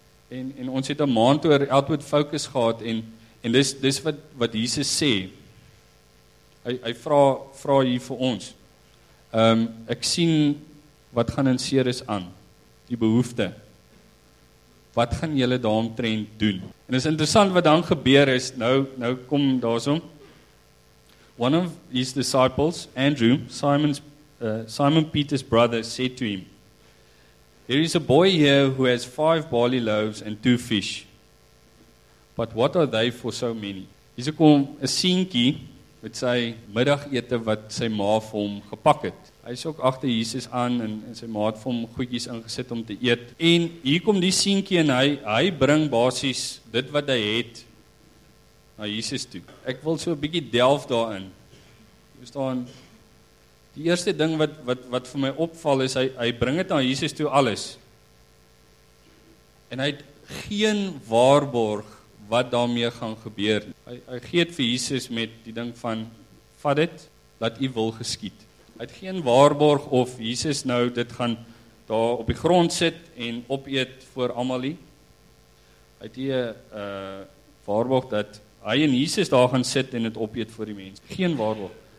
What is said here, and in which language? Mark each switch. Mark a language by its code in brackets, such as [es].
[af] En ons het 'n maand oor [en] outward focus [af] gehad en dis wat Jesus sê. Hy vra hier vir ons. Ek sien wat gaan in Ceres aan, die behoefte. Wat gaan julle daaromtrent doen? En dis interessant wat dan gebeur is, nou kom daarsom. [en] One of his disciples, Andrew, Simon Peter's brother, said to him, "There is a boy here who has 5 barley loaves and 2 fish. But what are they for so many?" [af] Hier kom 'n seentjie met sy middagete wat sy ma vir hom gepak het. Hy is ook agter Jesus aan en sy ma het vir hom goedjies ingesit om te eet. En hier kom die seentjie en hy bring basies dit wat hy het na Jesus toe. Ek wil so 'n bietjie delf daarin. Jy staan. Die eerste ding wat vir my opval is, hy bring dit na Jesus toe alles. En hy het geen waarborg wat daarmee gaan gebeur. Hy gee dit vir Jesus met die ding van, vat dit, laat u wil geskied. Hy het geen waarborg of Jesus nou dit gaan daar op die grond sit en opeet voor almal nie. Hy het nie 'n waarborg dat hy en Jesus daar gaan sit en dit opeet voor die mens. Geen waarborg.